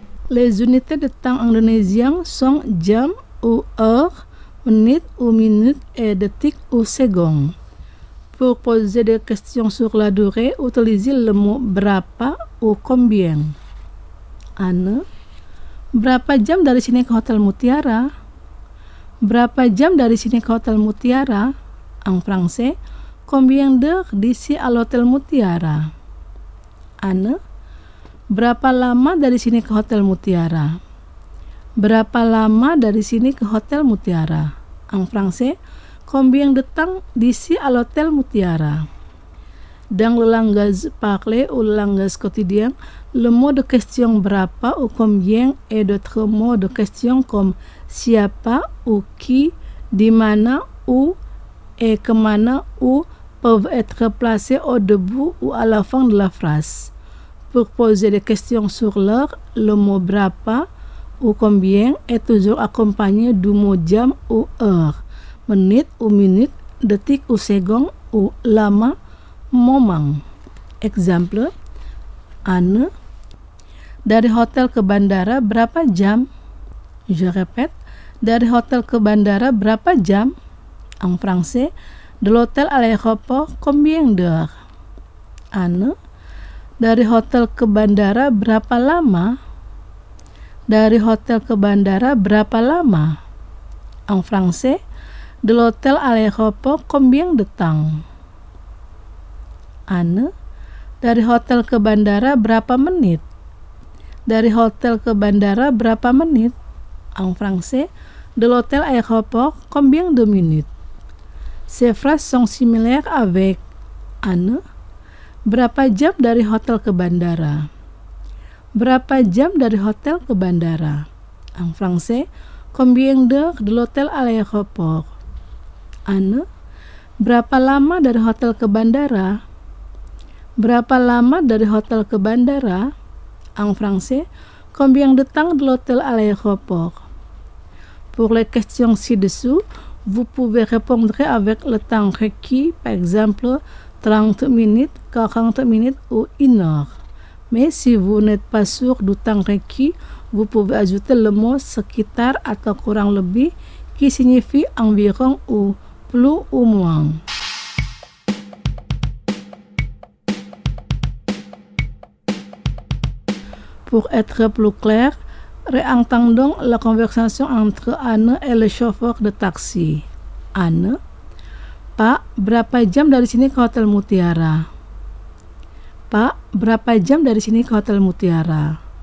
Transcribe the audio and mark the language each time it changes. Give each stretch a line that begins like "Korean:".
French: Les unités de temps indonésien sont jam ou heure, minute ou minute et de tic ou seconde. Pour poser des questions sur la durée, utilisez le mot berapa ou combien.
Indonesian: Anne, berapa jam dari sini ke Hotel Mutiara? Berapa jam dari sini ke Hotel Mutiara?
French: En français, combien d'heures d'ici à l'Hotel Mutiara?
Indonesian: Anne, berapa lama dari sini ke Hotel Mutiara? Berapa lama dari sini ke Hotel Mutiara?
French: En français, combien de temps d'ici à l'Hotel Mutiara? Dans le langage parlé ou le langage quotidien, le mot de question berapa ou combien et d'autres mots de question comme siapa ou qui, di mana ou et kemana ou peuvent être placés au début ou à la fin de la phrase. Pour poser des questions sur l'heure, le mot berapa ou combien est toujours accompagné du mot jam ou heure, menit ou minute, de tic ou ségon ou lama momang. Exemple,
Indonesian: Anne, dari hotel ke bandara berapa jam?
French: Je répète,
Indonesian: dari hotel ke bandara berapa jam?
French: En français, de l'hôtel à l'aéroport combien d'heures?
Indonesian: Anne, dari hotel ke bandara berapa lama? Dari hotel ke bandara berapa lama?
French: En français, de l'hôtel à l'aéroport combien de temps?
Indonesian: Anne, dari hotel ke bandara berapa menit? Dari hotel ke bandara berapa menit?
French: En français, de l'hôtel à l'aéroport combien de minutes? Ces phrases sont similaires avec Anne.
Indonesian: Berapa jam dari hotel ke bandara? Berapa jam dari hotel ke bandara?
French: En français, combien d'heures de l'hôtel à l'aéroport?
Indonesian: Anne, berapa lama dari hotel ke bandara? Berapa lama dari hotel ke bandara?
French: En français, combien de temps de l'hôtel à l'aéroport? Pour les questions ci-dessous, vous pouvez répondre avec le temps requis, par exemple 30 minutes, 40 minutes ou une heure. Mais si vous n'êtes pas sûr du temps requis, vous pouvez ajouter le mot « sekitar » atau « kurang lebih » qui signifie « environ » ou « plus ou moins ». Pour être plus clair, réentendons la conversation entre Anne et le chauffeur de taxi.
Indonesian: Anne, Pak, berapa jam dari sini ke Hotel Mutiara? Pak, berapa jam dari sini ke Hotel Mutiara?